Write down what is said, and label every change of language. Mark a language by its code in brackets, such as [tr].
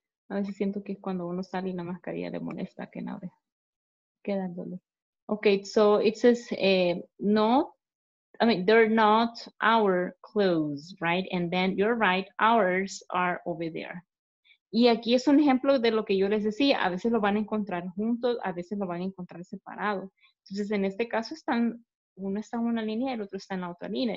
[es] A veces siento que es cuando uno sale y la mascarilla le molesta que no ve. Queda el dolor. [en] Okay, so it says they're not our clothes, right? And then you're right, ours are over there. [es] Y aquí es un ejemplo de lo que yo les decía, a veces lo van a encontrar juntos, a veces lo van a encontrar separado. Entonces, en este caso están, uno está en una línea y el otro está en la otra línea.